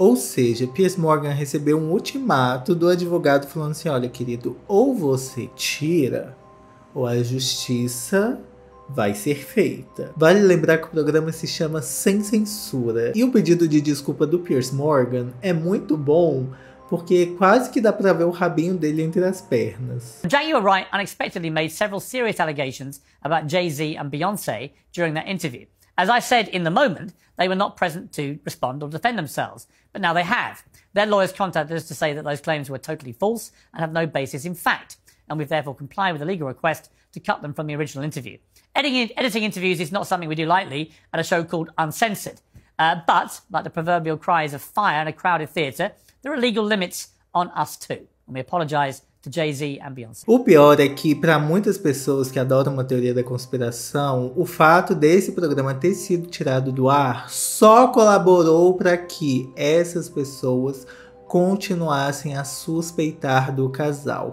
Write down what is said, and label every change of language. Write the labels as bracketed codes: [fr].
[pt] Ou seja, Piers Morgan recebeu um ultimato do advogado falando assim, olha, querido, ou você tira, ou a justiça vai ser feita. Vale lembrar que o programa se chama Sem Censura. E o pedido de desculpa do Piers Morgan é muito bom, porque quase que dá para ver o rabinho dele entre as pernas. [en] Jay, you're right, unexpectedly made several serious allegations about Jay-Z and Beyoncé during that interview. As I said in the moment, they were not present to respond or defend themselves. But now they have. Their lawyers contacted us to say that those claims were totally false and have no basis in fact, and we've therefore complied with a legal request to cut them from the original interview. Editing interviews is not something we do lightly at a show called Uncensored. But, like the proverbial cries of fire in a crowded theatre, there are legal limits on us too. And we apologize to Jay-Z and Beyoncé. [pt] O pior é que, para muitas pessoas que adoram uma teoria da conspiração, o fato desse programa ter sido tirado do ar só colaborou para que essas pessoas continuassem a suspeitar do casal.